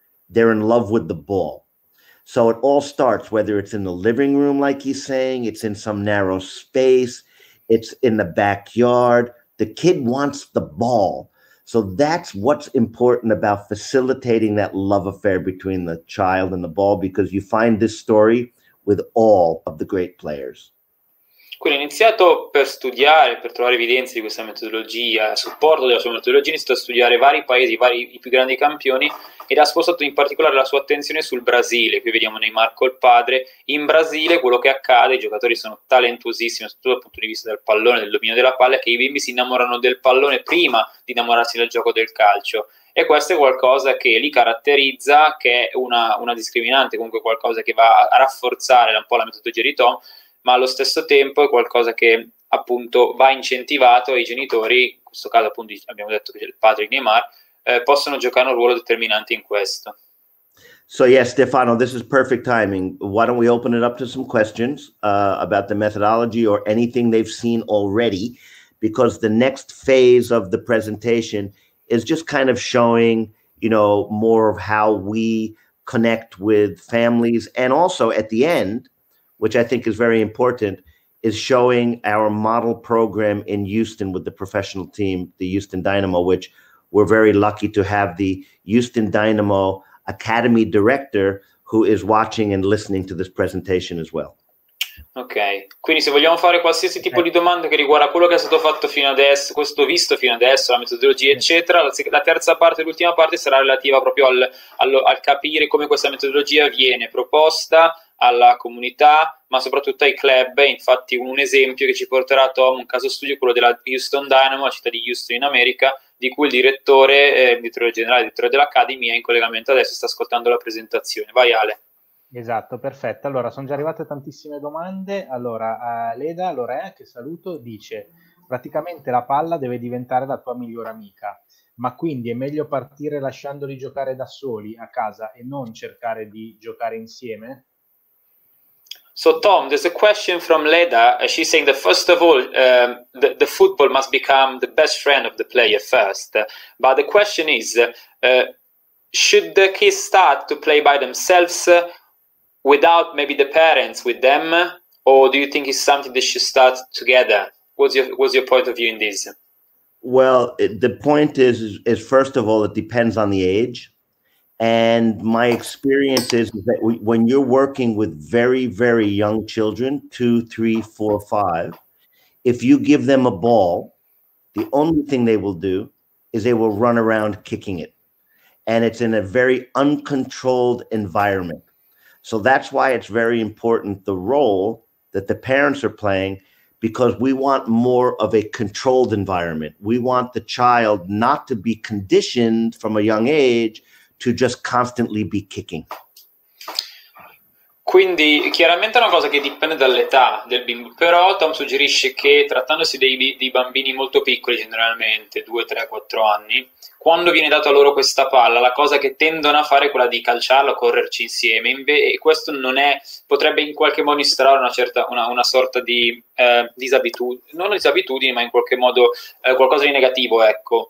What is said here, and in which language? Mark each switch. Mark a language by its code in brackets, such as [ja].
[en] They're in love with the ball. So it all starts, whether it's in the living room, like he's saying, it's in some narrow space, it's in the backyard. The kid wants the ball. So that's what's important about facilitating that love affair between the child and the ball, because you find this story with all of the great players. [it] Quindi ho iniziato per studiare, per trovare evidenze di questa metodologia, a supporto della sua metodologia, ho iniziato a studiare vari paesi, i più grandi campioni, ed ha spostato in particolare la sua attenzione sul Brasile. Qui vediamo Neymar col padre. In Brasile quello che accade, i giocatori sono talentuosissimi, soprattutto dal punto di vista del pallone, del dominio della palla, che i bimbi si innamorano del pallone prima di innamorarsi del gioco del calcio. E questo è qualcosa che li caratterizza, che è una discriminante, comunque qualcosa che va a rafforzare un po' la metodologia di Tom, ma allo stesso tempo è qualcosa che appunto va incentivato ai genitori, in questo caso appunto abbiamo detto che il padre di Neymar, possono giocare un ruolo determinante in questo. [en] So yes, Stefano, this is perfect timing. Why don't we open it up to some questions about the methodology or anything they've seen already, because the next phase of the presentation is just kind of showing, you know, more of how we connect with families, and also at the end, which I think is very important, is showing our model program in Houston with the professional team, the Houston Dynamo, which we're very lucky to have the Houston Dynamo Academy director who is watching and listening to this presentation as well. [it] Okay, quindi se vogliamo fare qualsiasi tipo di domanda che riguarda quello che è stato fatto fino adesso, questo visto fino adesso, la metodologia eccetera, la terza parte, l'ultima parte sarà relativa proprio al capire come questa metodologia viene proposta alla comunità, ma soprattutto ai club. Infatti un esempio che ci porterà Tom, un caso studio, quello della Houston Dynamo, la città di Houston in America, di cui il direttore generale dell'Academy è in collegamento adesso, sta ascoltando la presentazione. Vai Ale. Esatto, perfetto. Allora, sono già arrivate tantissime domande. Allora, Leda Lorea, che saluto, dice: praticamente la palla deve diventare la tua migliore amica. ma quindi è meglio partire lasciandoli giocare da soli a casa e non cercare di giocare insieme? [en] So Tom, there's a question from Leda. She's saying that first of all, the football must become the best friend of the player first. But the question is, should the kids start to play by themselves without maybe the parents with them? Or do you think it's something they should start together? What's your point of view in this? Well, the point is first of all, it depends on the age. And my experience is that when you're working with very, very young children, 2, 3, 4, 5, if you give them a ball, the only thing they will do is they will run around kicking it. And it's in a very uncontrolled environment. So that's why it's very important, the role that the parents are playing, because we want more of a controlled environment. We want the child not to be conditioned from a young age to just constantly be kicking. [it] Quindi chiaramente è una cosa che dipende dall'età del bimbo, però Tom suggerisce che trattandosi dei bambini molto piccoli, generalmente 2, 3, 4 anni, quando viene data loro questa palla, la cosa che tendono a fare è quella di calciarla, correrci insieme, e questo non è, potrebbe in qualche modo instaurare una sorta di disabitudine, ma in qualche modo qualcosa di negativo, ecco.